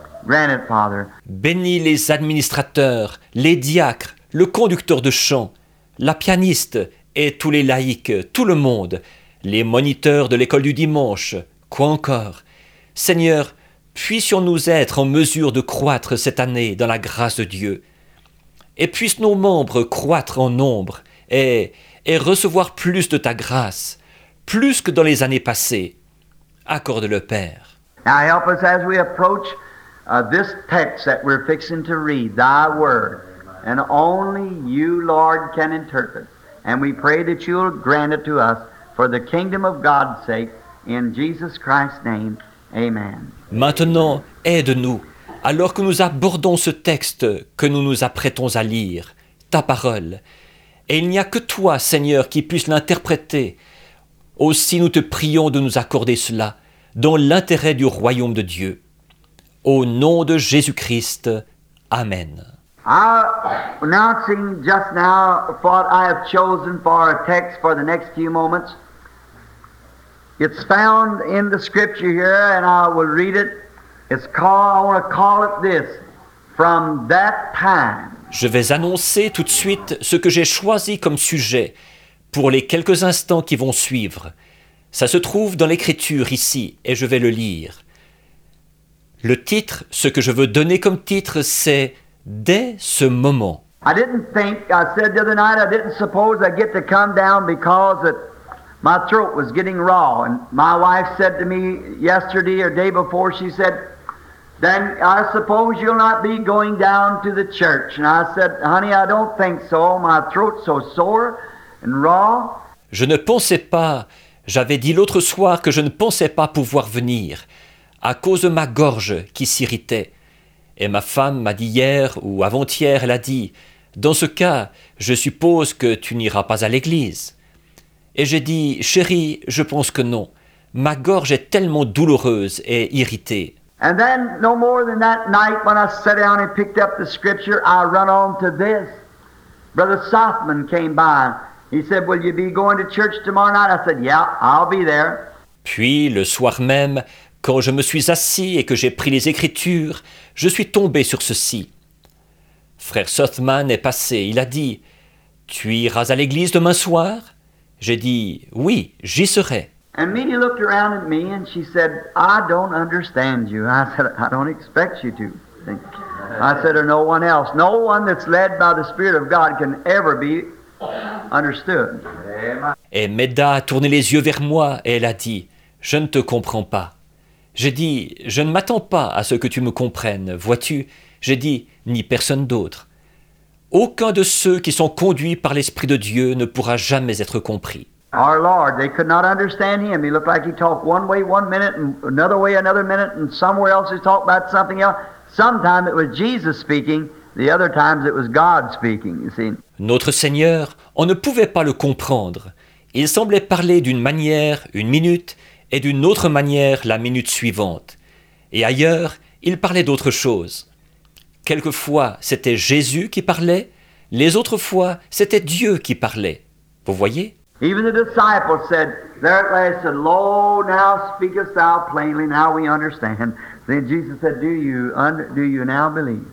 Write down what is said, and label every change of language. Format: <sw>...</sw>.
<en>Grant it, Father.</en> <fr>Bénis les administrateurs, les diacres, le conducteur de chant, la pianiste et tous les laïcs, tout le monde, les moniteurs de l'école du dimanche, quoi encore. Seigneur, puissions-nous être en mesure de croître cette année dans la grâce de Dieu. Et puissent nos membres croître en nombre et recevoir plus de ta grâce, plus que dans les années passées. Accorde-le, Père.</fr> <en>Now help us as we approach this text that we're fixing to read, thy word, and only you, Lord, can interpret. And we pray that you'll grant it to us for the kingdom of God's sake, in Jesus Christ's name, amen.</en> <fr>Maintenant, aide-nous, alors que nous abordons ce texte que nous nous apprêtons à lire, ta parole. Et il n'y a que toi, Seigneur, qui puisse l'interpréter. Aussi nous te prions de nous accorder cela, dans l'intérêt du royaume de Dieu. Au nom de Jésus-Christ, amen.</fr> <en>Announcing just now what I have chosen for our text for the next few moments, It's found in the scripture here, and I will read it. I want to call it this, from that time.</en> <fr>Je vais annoncer tout de suite ce que j'ai choisi comme sujet pour les quelques instants qui vont suivre. Ça se trouve dans l'écriture ici, et je vais le lire. Le titre, ce que je veux donner comme titre, c'est « Dès ce moment ».</fr> <en>I didn't think, I said the other night, I didn't suppose I'd get to come down because that my throat was getting raw. And my wife said to me yesterday or day before, she said, then I suppose you'll not be going down to the church. And I said, honey, I don't think so. My throat's so sore and raw.</en> <fr>Je ne pensais pas, j'avais dit l'autre soir que je ne pensais pas pouvoir venir à cause de ma gorge qui s'irritait. Et ma femme m'a dit hier ou avant-hier, elle a dit, dans ce cas, je suppose que tu n'iras pas à l'église. Et j'ai dit, chérie, je pense que non. Ma gorge est tellement douloureuse et irritée.</fr> <en>And then, no more than that night, when I sat down and picked up the scripture, I run on to this. Brother Softman came by. He said, will you be going to church tomorrow night? I said, yeah, I'll be there.</en> <fr>Puis, le soir même, quand je me suis assis et que j'ai pris les Écritures, je suis tombé sur ceci. Frère Southman est passé, il a dit, « Tu iras à l'église demain soir ?» J'ai dit, « Oui, j'y serai. »</fr> <en>And Minnie looked around at me and she said, « I don't understand you. » I said, « I don't expect you to. » I said, « Or no one else. No one that's led by the Spirit of God can ever be understood. »</en> <fr>Et Meda a tourné les yeux vers moi et elle a dit, « Je ne te comprends pas. » J'ai dit, je ne m'attends pas à ce que tu me comprennes, vois-tu? J'ai dit, ni personne d'autre. Aucun de ceux qui sont conduits par l'Esprit de Dieu ne pourra jamais être compris.</fr> <en>Our Lord, they could not understand him. He looked like he talked one way one minute, and another way another minute, and somewhere else he talked about something else. Sometimes it was Jesus speaking, the other times it was God speaking, you see.</en> <fr>Notre Seigneur, on ne pouvait pas le comprendre. Il semblait parler d'une manière, une minute, et d'une autre manière la minute suivante. Et ailleurs, il parlait d'autre chose. Quelquefois, c'était Jésus qui parlait, les autres fois, c'était Dieu qui parlait. Vous voyez?</fr> <en>Even the disciples said, there at last said, lo, now speakest thou plainly, now we understand. Then Jesus said, do you now believe?</en>